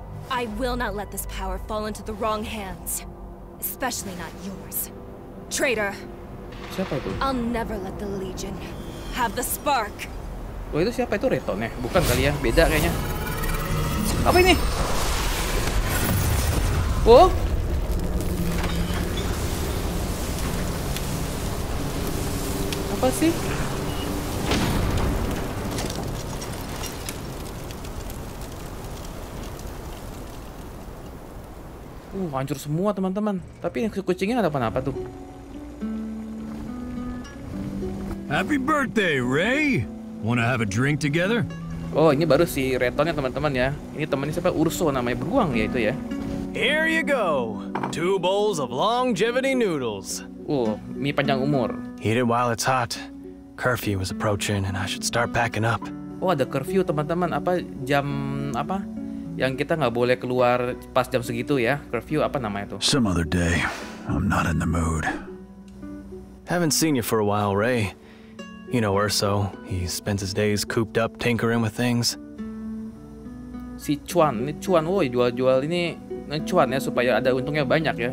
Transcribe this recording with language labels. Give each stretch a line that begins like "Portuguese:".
English: I will not let this power fall into the wrong hands, especially not yours. Traitor.
Indonesian: Siapa itu?
English: I'll never let the Legion have the spark.
Indonesian: Oh, itu siapa itu? Rayton ya? Bukan kali ya, beda kayaknya. Apa ini? Oh. Apa sih? Hancur semua, teman-teman. Tapi yang kucingnya ada apa-apa tuh.
English: Happy birthday, Ray. Wanna have a drink together?
Indonesian: Oh, ini baru si Rayton-nya, teman-teman ya. Ini temannya siapa? Urso namanya, beruang ya itu ya.
English: Here you go. Two bowls of longevity noodles.
Indonesian: Mie panjang umur.
English: Eat it while it's hot. Curfew is approaching and I should start packing up.
Indonesian: Oh, ada curfew, teman-teman. Apa jam apa? Yang kita nggak boleh keluar pas jam segitu ya, curfew apa namanya tuh?
English: Some other day, I'm not in the mood. Haven't seen you for a while, Ray. You know Urso, he spends his days cooped up tinkering with things.
Indonesian: Si Chuan, ini Chuan, woi, jual-jual ini Chuan ya, supaya ada untungnya banyak ya.